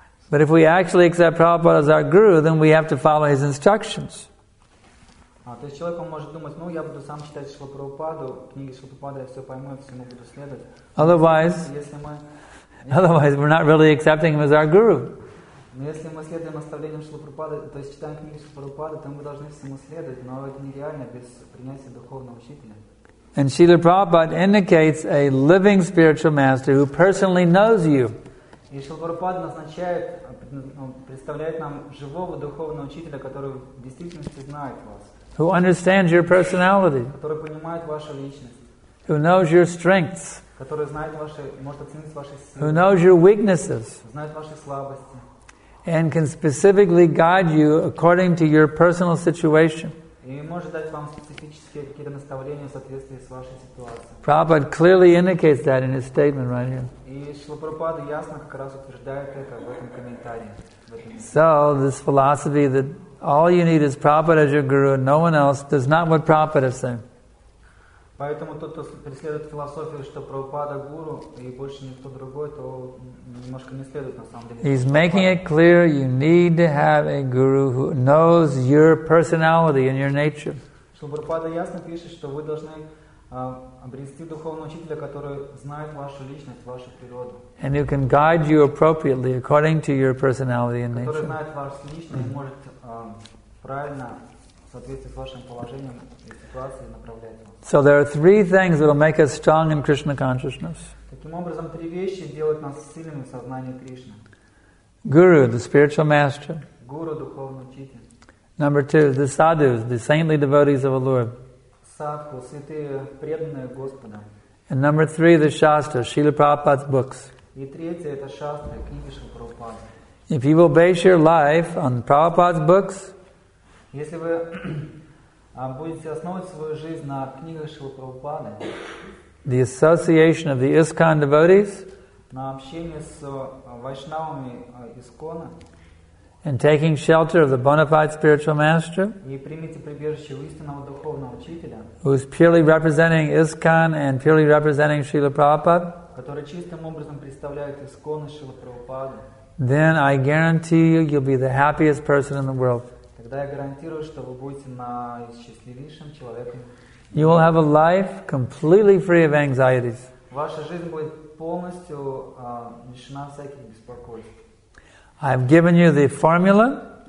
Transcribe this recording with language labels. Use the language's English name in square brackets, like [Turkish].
[English] But if we actually accept Prabhupada as our guru, then we have to follow his instructions. [Russian] То есть человек может думать, ну я буду сам читать Шрилу Прабхупаду, книги Шрилы Прабхупады, я все пойму, я всему буду следовать. [English] Otherwise, we're not really accepting him as our guru. [Russian] Но если мы следуем наставлениям Шрилы Прабхупады, то есть читаем книги Шрилы Прабхупады, то мы должны всему следовать, но это нереально без принятия духовного учителя. [English] And Srila Prabhupada indicates a living spiritual master who personally knows you. [Russian] И Шрила Прабхупада назначает, представляет нам живого духовного учителя, который в действительности знает вас. [English] Who understands your personality? [Russian] Который понимает вашу личность. [English] Who knows your strengths? [Russian] Который знает ваши, может оценить ваши силы. [English] Who knows your weaknesses? [Russian] Знает ваши слабости. [English] And can specifically guide you according to your personal situation. [Russian] И может дать вам специфические какие-то наставления в соответствии с вашей ситуацией. [English] Prabhupada clearly indicates that in his statement right here. [Russian] И Шрила Прабхупада ясно как раз утверждает это в этом комментарии. [English] So this philosophy that all you need is Prabhupada as your guru and no one else. That's not what Prabhupada is saying. [Russian] Поэтому тот, кто преследует философию, что Прабхупада гуру и больше никто другой, то немножко не следует на самом деле. [English] He's making it clear you need to have a guru who knows your personality and your nature. [Russian] Прабхупада ясно пишет, что вы должны обрести духовного учителя, который знает вашу личность, вашу природу. [English] And who can guide you appropriately according to your personality and nature. [Russian] Который знает вашу личность, может правильно в соответствии с вашим положением и ситуацией направлять вас. [English] So there are three things that will make us strong in Krishna consciousness. [Russian] Таким образом, три вещи делают нас сильными в сознании Кришны. [English] Guru, the spiritual master. [Russian] Guru, духовный учитель. [English] Number two, the sadhus, the saintly devotees of the Lord. [Russian] Садху, святые преданные Господа. [English] And number three, the shastra, Srila Prabhupada's books. [Russian] И третье, это шастры, книги Шрилы Прабхупады. [English] If you will base your life on Prabhupada's books, [Russian] если вы будете основывать свою жизнь на книгах Шрилы Прабхупады, [English] the association of the ISKCON devotees, [Russian] на общении с вайшнавами ISKCON, [English] and taking shelter of the bona fide spiritual master, [Russian] и примите прибежище у истинного духовного учителя, [English] who is purely representing ISKCON and purely representing Srila Prabhupada, [Russian] который чистым образом представляет ISKCON и Шрилу Прабхупаду, [English] then I guarantee you, you'll be the happiest person in the world. [Russian] Тогда я гарантирую, что вы будете наисчастливейшим человеком [English] You will have a life completely free of anxieties. [Russian] Ваша жизнь будет полностью лишена всяких беспокойств. [English] I've given you the formula.